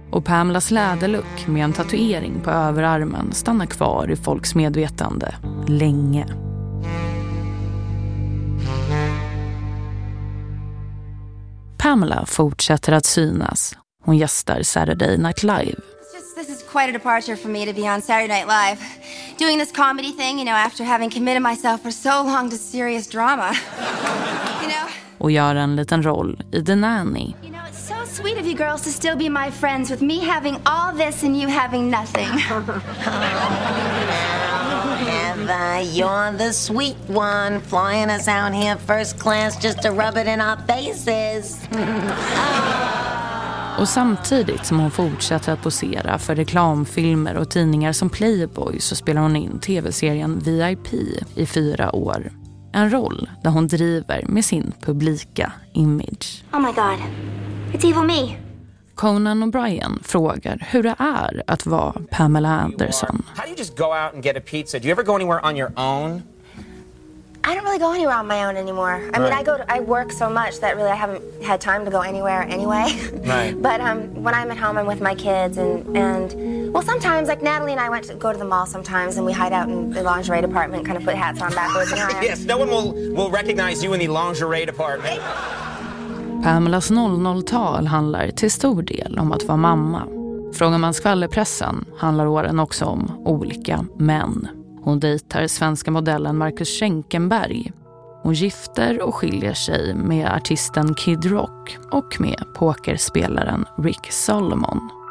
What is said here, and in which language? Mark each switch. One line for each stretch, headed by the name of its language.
Swedish: Och Pamelas läderluck med en tatuering på överarmen stannar kvar i folks medvetande länge. Pamela fortsätter att synas. Hon gästar Saturday Night Live.
English: This is quite a departure for me to be on Saturday Night Live. Doing this comedy thing, you know, after having committed myself for so long to serious drama. You know?
Swedish: Och gör en liten roll i The Nanny.
English: You know, it's so sweet of you girls to still be my friends with me having all this and you having nothing. You're the sweet one flying us out here first class just to rub it in our faces.
Swedish: Och samtidigt som hon fortsätter att posera för reklamfilmer och tidningar som Playboy så spelar hon in tv-serien VIP i 4 år. En roll där hon driver med sin publika image.
English: Oh my god, it's evil me.
Swedish: Conan O'Brien frågar hur det är att vara Pamela Anderson.
English: How do you just go out and get a pizza? Do you ever go anywhere on your own? I don't really go anywhere on my own anymore. I mean, I work so much that really I haven't had time to go anywhere anyway. Right. But when I'm at home, I'm with my kids and well, sometimes like Natalie and I went to go to the mall sometimes and we hide out in the lingerie department, kind of put hats on backwards. And yes, no one will recognize you in the lingerie department.
Swedish: Pamelas 00-tal handlar till stor del om att vara mamma. Frågar man skvallerpressen handlar åren också om olika män. Hon dejtar svenska modellen Marcus Schenkenberg. Hon gifter och skiljer sig med artisten Kid Rock och med pokerspelaren Rick Solomon.